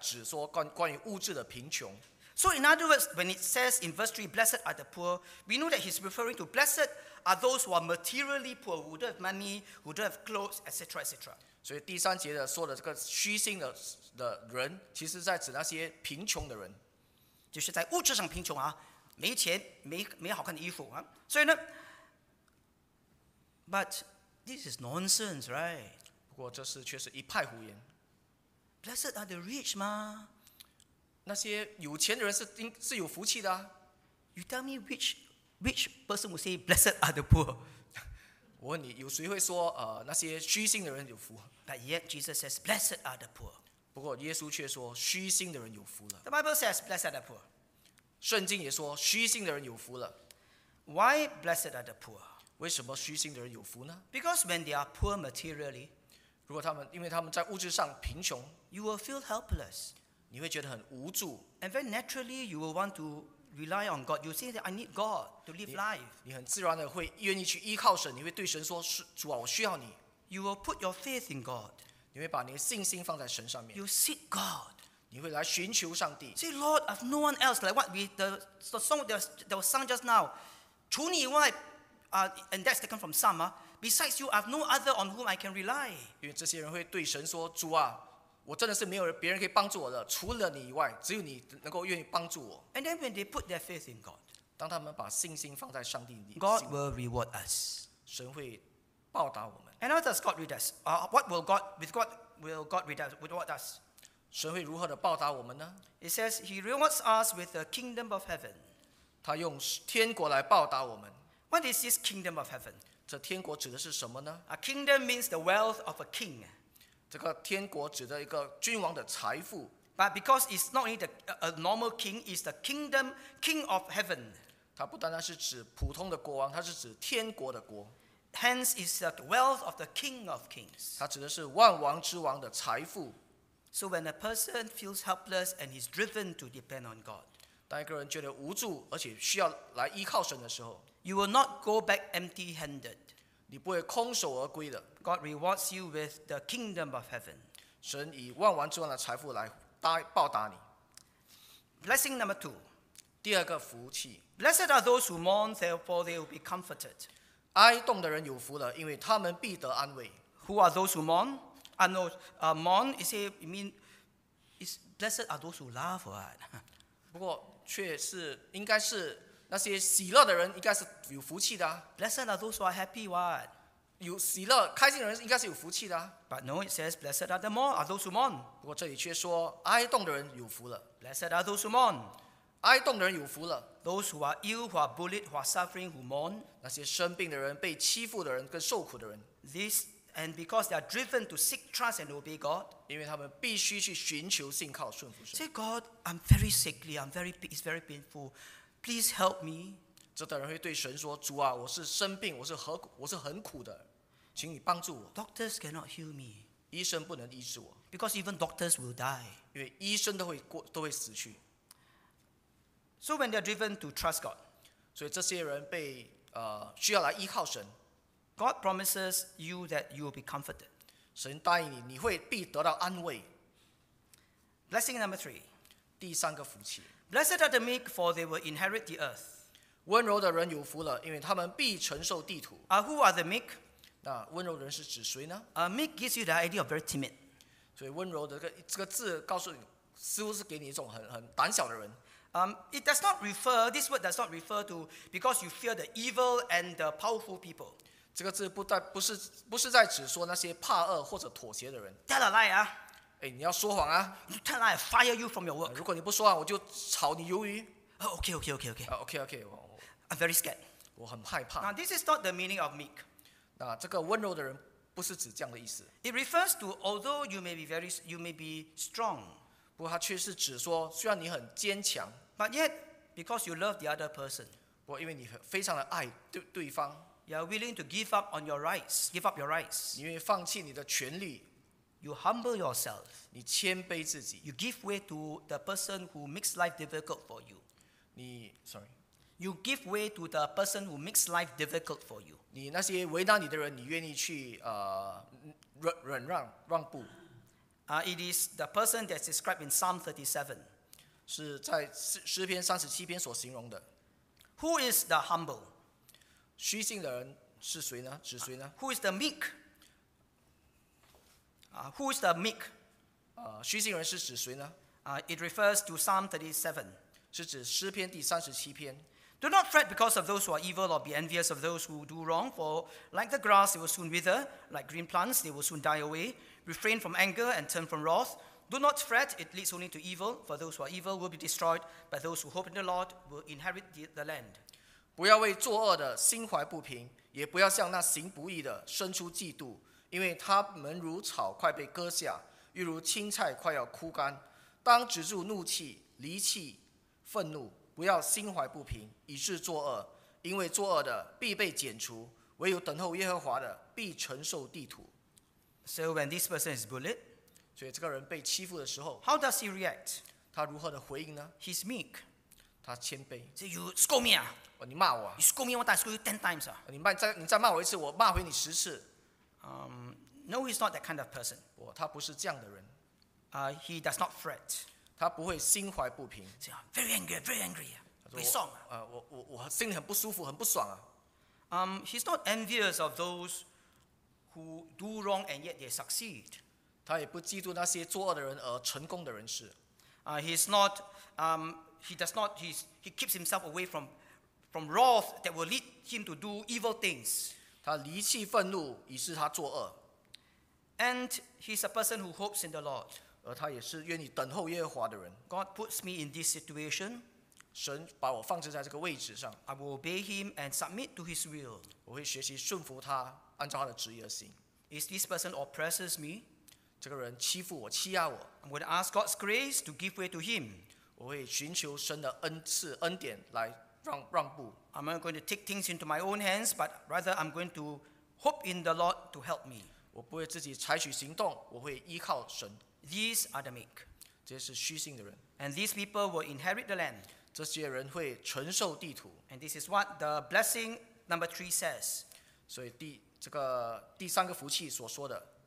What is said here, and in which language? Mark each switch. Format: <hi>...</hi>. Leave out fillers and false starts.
<zh>所以其他的四是一致的在指说关于物质的贫穷。</zh> <en>So in other words, when it says in verse 3, blessed are the poor, we know that he's referring to blessed are those who are materially poor, who don't have money, who don't have clothes, etc., etc.</en> <zh>所以第三节的说的这个虚心的人，其实在指那些贫穷的人。就是在物质上贫穷啊, 没钱，没好看的衣服啊。所以呢,</zh> <en>but this is nonsense, right?</en> <zh>不过这是却是一派胡言。</zh> <en>Blessed are the rich, ma.</en> <zh>那些有钱的人是有福气的啊。</zh> <en>You tell me which person would say blessed are the poor?</en> <zh>我问你，有谁会说那些虚心的人有福？</zh> <en>But yet Jesus says blessed are the poor.</en> <zh>不过耶稣却说虚心的人有福了。</zh> <en>The Bible says blessed are the poor.</en> <zh>圣经也说虚心的人有福了。</zh> <en>Why blessed are the poor?</en> <zh>为什么虚心的人有福呢？</zh> <en>Because when they are poor materially.</en> <zh>如果他们因为他们在物质上贫穷，</zh> <en>you will feel helpless.</en> <zh>你会觉得很无助。</zh> <en>And very naturally, you will want to rely on God. You say that I need God to live life.</en> <zh>你很自然的会愿意去依靠神，你会对神说：“主啊，我需要你。”</zh> <en>You will put your faith in God.</en> <zh>你会把你的信心放在神上面。</zh> <en>You seek God.</en> <zh>你会来寻求上帝。</zh> <en>Say, Lord, I have no one else. Like what we the song that was sung just now.</en> <zh>除你以外</zh> <en>and that's taken from Psalm. Besides you, I have no other on whom I can rely.</en> <zh>因为这些人会对神说：“主啊。” 我真的是没有别人可以帮助我的，除了你以外，只有你能够愿意帮助我。</zh> <en>And then when they put their faith in God,</en> <zh>当他们把信心放在上帝里</zh> <en>，God will reward us.</en> <zh>神会报答我们。</zh> <en>And how does God reward us? What will God with God will God reward us?</en> <zh>神会如何的报答我们呢</zh> <en>？It says He rewards us with the kingdom of heaven.</en> <zh>他用天国来报答我们。</zh> <en>What is this kingdom of heaven?</en> <zh>这天国指的是什么呢</zh> <en>？A kingdom means the wealth of a king.</en> <zh>这个天国指的一个君王的财富</zh> <en>，But because it's not only a normal king, it's the kingdom king of heaven.</en> <zh>它不单单是指普通的国王，它是指天国的国。</zh> <en>Hence, it's the wealth of the king of kings.</en> <zh>它指的是万王之王的财富。</zh> <en>So when a person feels helpless and is driven to depend on God,</en> <zh>当一个人觉得无助而且需要来依靠神的时候</zh> <en>，You will not go back empty-handed.</en> <zh>你不会空手而归的。</zh> <en>God rewards you with the kingdom of heaven.</en> <zh>神以万王之王的财富来报答你。</zh> <en>Blessing number two.</en> <zh>第二个福气。</zh> <en>Blessed are those who mourn, therefore they will be comforted.</en> <zh>哀恸的人有福了，因为他们必得安慰。</zh> <en>Who are those who mourn? I know, mourn. It means blessed are those who laugh or what?</en> <zh>不过却是应该是。那些喜乐的人应该是有福气的、啊。</zh> <en>Blessed are those who are happy, what?</en> <zh>有喜乐、开心的人应该是有福气的、啊。</zh> <en>But no, it says, blessed are the mourn, are those who mourn.</en> <zh>不过这里却说，哀恸的人有福了。</zh> <en>Blessed are those who mourn.</en> <zh>哀恸的人有福了。</zh> <en>Those who are ill, who are bullied, who are suffering, who mourn.</en> <zh>那些生病的人、被欺负的人、跟受苦的人。</zh> <en>This and because they are driven to seek trust and obey God.</en> <zh>因为他们必须去寻求信靠、顺服神。</zh> <en>Say God, I'm very sickly. I'm very. It's very painful. Please help me.</en> <zh>这等人会对神说：“主啊，我是生病，我是很苦的，请你帮助我。”</zh> <en>Doctors cannot heal me.</en> <zh>医生不能医治我。</zh> <en>Because even doctors will die.</en> <zh>因为医生都会死去。</zh> <en>So when they're driven to trust God,</en> <zh>所以这些人被需要来依靠神。</zh> <en>God promises you that you will be comforted.</en> <zh>神答应你，你会必得到安慰。</zh> <en>Blessing number three.</en> <zh>第三个福气。</zh> <en>Blessed are the meek, for they will inherit the earth.</en> <zh>温柔的人有福了，因为他们必承受地土。</zh> <en>Who are the meek?</en> <zh>那温柔的人是指谁呢</zh> <en>meek gives you the idea of very timid.</en> <zh>所以温柔的这个字告诉你，似乎是给你一种很胆小的人。</zh> <en>It does not refer. This word does not refer to because you fear the evil and the powerful people.</en> <zh>这个字不是在指说那些怕恶或者妥协的人。</zh> <en>Tell a lie, ah.</en> <zh>哎，你要说谎啊</zh> <en>！You tell lie, fire you from your work.</en> <zh>如果你不说谎，我就炒你鱿鱼。</zh> <en>Okay. I'm very scared.</en> <zh>我很害怕。</zh> <en>Now this is not the meaning of meek.</en> <zh>那这个温柔的人不是指这样的意思。</zh> <en>It refers to although you may be strong.</en> <zh>不过它却是指说，虽然你很坚强</zh> <en>，but yet because you love the other person.</en> <zh>不过因为你非常的爱对方</zh> <en>，you are willing to give up on your rights. Give up your rights.</en> <zh>你愿意放弃你的权利。</zh> <en>You humble yourself.</en> <zh>你谦卑自己。</zh> <en>You give way to the person who makes life difficult for you.</en> <zh>你</zh> <en>sorry. You give way to the person who makes life difficult for you.</en> <zh>你那些为难你的人，你愿意去忍让步。</zh> <en>It is the person that's described in Psalm 37.</en> <zh>是在诗篇37篇所形容的。</zh> <en>Who is the humble?</en> <zh>虚心的人是谁呢？指谁呢？</zh> <en>Who is the meek? Who is the meek?</en> <zh>虚心人是指谁呢？</zh> <en>It refers to Psalm 37.</en> <zh>是指诗篇第三十七篇。</zh> <en>Do not fret because of those who are evil, or be envious of those who do wrong. For like the grass, they will soon wither; like green plants, they will soon die away. Refrain from anger and turn from wrath. Do not fret; it leads only to evil. For those who are evil will be destroyed, but those who hope in the Lord will inherit the land.</en> <zh>不要为作恶的心怀不平，也不要向那行不义的生出嫉妒。因为他们如草快被割下，又如青菜快要枯干。当止住怒气，离弃愤怒，不要心怀不平，以致作恶。因为作恶的必被剪除，唯有等候耶和华的必承受地土。</zh> <en>So when this person is bullied,</en> <zh>所以这个人被欺负的时候</zh> <en>，How does he react？</en> <zh>他如何的回应呢</zh> <en>？He's meek，</en> <zh>他谦卑。</zh> <en>Say you scold me 啊？</en> <zh>哦，你骂我、</zh> <en>啊。You scold me one time, I scold you 10 times 啊？</en> <zh>你再骂我一次，我骂回你10次。</zh> <en>No, he's not that kind of person。</en> <zh>哦，他不是这样的人。</zh> <en>He does not fret。</en> <zh>他不会心怀不平。</zh> <en>Say I'm very angry, very angry 啊，</en> <zh>不爽啊。我心里很不舒服，很不爽啊。</zh> <en>He's not envious of those who do wrong and yet they succeed。</en> <zh>他也不嫉妒那些作恶的人而成功的人士。</zh> <en>He keeps himself away from wrath that will lead him to do evil things。</en> <zh>他离弃愤怒，以致他作恶。</zh> <en>And he's a person who hopes in the Lord。</en> <zh>而他也是愿意等候耶和华的人。</zh> <en>God puts me in this situation。</en> <zh>神把我放置在这个位置上。</zh> <en>I will obey him and submit to his will。</en> <zh>我会学习顺服他，按照他的旨意而行。</zh> <en>Is this person oppresses me？</en> <zh>这个人欺负我，欺压我。</zh> <en>I'm going to ask God's grace to give way to him。</en> <zh>我会寻求神的恩赐、恩典来让步。</zh> <en>I'm not going to take things into my own hands, but rather I'm going to hope in the Lord to help me。</en> <zh>我不会自己采取行动，我会依靠神。</zh> <en>These are the meek。</en> <zh>这是虚心的人。</zh> <en>And these people will inherit the land。</en> <zh>这些人会承受地土。</zh> <en>And this is what the blessing number three says。</en> <zh>所以第三个福气所说的。</zh>